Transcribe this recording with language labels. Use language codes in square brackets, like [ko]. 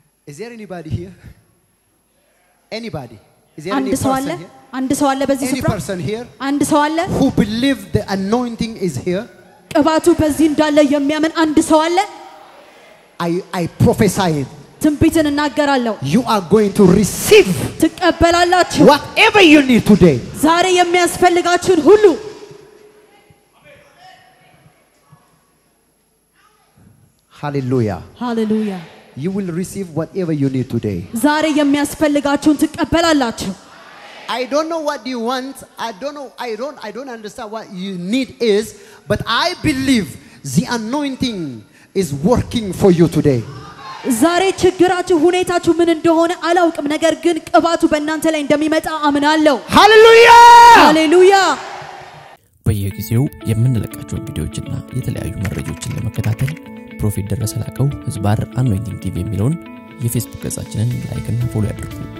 [en] Is there anybody here? Anybody? Is there any person here? [am] አንድ ሰው አለ በዚህ ስፍራ? [en] Any person here? [am] አንድ ሰው አለ? [en] Who believe the anointing is here? [am] ቅባቱ በዚህ እንዳለ የሚያምን አንድ ሰው አለ? [en] I prophesy it. [am] ትንቢትን እናገራለሁ. [en] You are going to receive. [am] ትቀበላላችሁ. [en] Whatever you need today. [am] ዛሬ የሚያስፈልጋችሁን ሁሉ. [en] Hallelujah. Hallelujah. You will receive whatever you need today. [am] ዛሬ የሚያስፈልጋችሁን ትቀበላላችሁ. [en] I don't know what you want. I don't understand what you need is, but I believe the anointing is working for you today. [am] ዛሬ ችግራችሁ ሁኔታችሁ ምን እንደሆነ አላውቅም ነገር ግን ቅባቱ በእናንተ ላይ እንደሚመጣ አምናለሁ. [en] Hallelujah! Hallelujah! [am] በየጊዜው የምንለቀቃቸው ቪዲዮዎችና የተለያዩ መረጃዎችን ለመከታተል ፕሮፌት ደረሰ ላቀው ህዝባር አንዊንቲንግ ቲቪ የሚለውን የፌስቡክ ገጻችንን ላይክ እና ፎሎ ያድርጉ.